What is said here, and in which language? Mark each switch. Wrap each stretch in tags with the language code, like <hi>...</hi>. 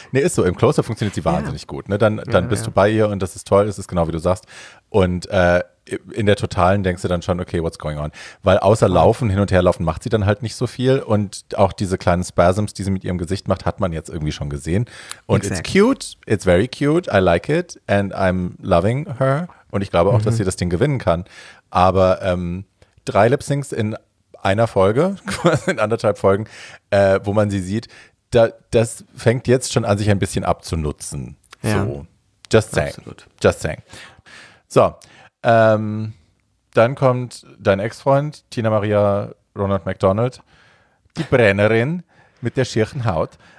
<de>Nee, ist so, im Close-Up funktioniert sie wahnsinnig gut, ne? Dann bist du bei ihr und das ist toll, das ist genau wie du sagst. Und in der Totalen denkst du dann schon,</de> <en>okay, what's going on?</en> <de>Weil außer Laufen, hin und her laufen, macht sie dann halt nicht so viel. Und auch diese kleinen Spasms, die sie mit ihrem Gesicht macht, hat man jetzt irgendwie schon gesehen. Und</de> <en>it's cute, it's very cute, I like it and I'm loving her.</en> <de>Und ich glaube auch, dass sie das Ding gewinnen kann. Aber 3 Lip-Syncs in einer Folge, in anderthalb Folgen, wo man sie sieht, das fängt jetzt schon an, sich ein bisschen abzunutzen.</de> <en>Ja. So. Just saying.</en> <de>Absolut.</de> <en>Just saying.</en> <de>So, dann kommt dein Ex-Freund, Tina Maria Ronald McDonald, die Brennerin mit der schieren Haut.</de>